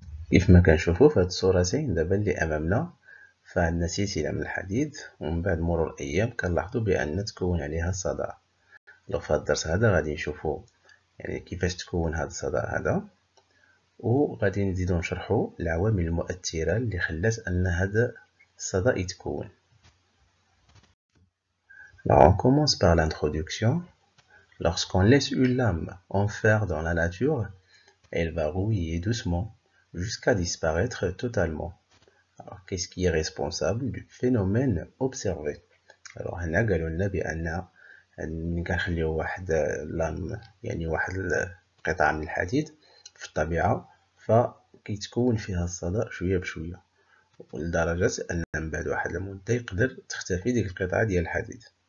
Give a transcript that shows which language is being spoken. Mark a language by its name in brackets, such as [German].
[Arabic] كيف ما كنشوفوا في هذه الصورتين دابا اللي أمامنا، فعندنا سلسلة من الحديد ومن بعد مرور أيام كنلاحظوا بأن تكون عليها صدى. لو في هذا الدرس هذا غادي نشوفوا يعني كيفاش تكون هذا الصدى هذا، وغادي نزيدو نشرحوا العوامل المؤثرة اللي خلات أن هذا الصدى يتكون. [French] Alors, on commence par l'introduction. Lorsqu'on laisse une lame enfer dans la nature, elle va rouiller doucement jusqu'à disparaître totalement. Alors, qu'est-ce qui est responsable du phénomène observé? Alors, on a dit que nous avons une lame, [Arabic] yani واحد القطعة من الحديد في الطبيعة فكيتكون فيها الصدى شوية بشوية، ولدرجة أن من بعد واحد المدة يقدر تختفي ديك القطعة ديال الحديد.